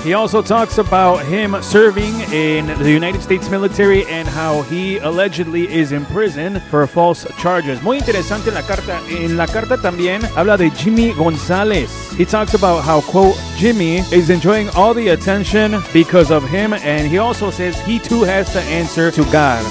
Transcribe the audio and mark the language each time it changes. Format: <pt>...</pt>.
<en>He also talks about him serving in the United States military and how he allegedly is in prison for false charges.</en> <es>Muy interesante la carta. En la carta también habla de Jimmy González.</es> <en>He talks about how, quote, Jimmy is enjoying all the attention because of him, and he also says he too has to answer to God.</en>